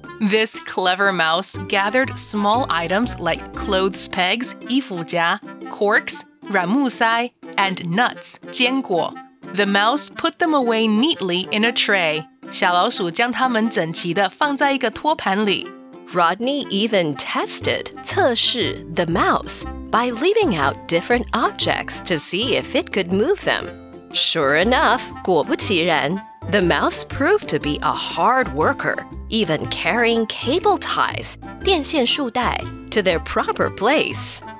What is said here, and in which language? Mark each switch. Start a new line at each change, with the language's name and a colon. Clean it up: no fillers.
English: This clever mouse gathered small items like clothes pegs,
Chinese: 衣服夹,
English: corks, ramusai, and nuts,
Chinese: 坚果。
English: The mouse put them away neatly in a tray.
Chinese: 小老鼠将它们整齐地放在一个托盘里。
English: Rodney even tested,
Chinese: 测试
English: the mouse, by leaving out different objects to see if it could move them. Sure enough,
Chinese: 果不其然。
English: The mouse proved to be a hard worker, even carrying cable ties,
Chinese: 电线束带,
English: to their proper place.